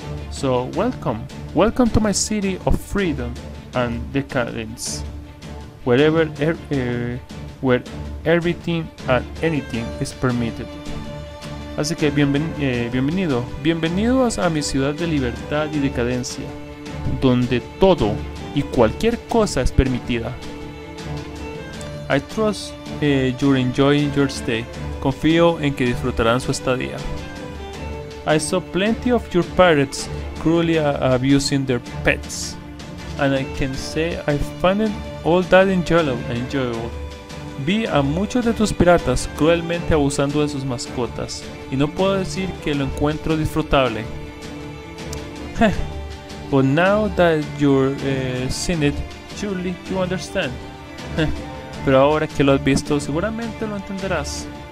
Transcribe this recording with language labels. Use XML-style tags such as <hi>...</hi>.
<en>So welcome to my city of freedom and decadence, where everything and anything is permitted.</en> <es>Así que bienvenidos a mi ciudad de libertad y decadencia, donde todo y cualquier cosa es permitida.</es> <en>I trust you're enjoying your stay.</en> <es>Confío en que disfrutarán su estadía.</es> <en>I saw plenty of your pirates cruelly abusing their pets, and I can say I find it all that enjoyable.</en> <es>Vi a muchos de tus piratas cruelmente abusando de sus mascotas, y no puedo decir que lo encuentro disfrutable.</es> <en>But now that you've seen it, surely you understand.</en> <es>Pero ahora que lo has visto, seguramente lo entenderás.</es>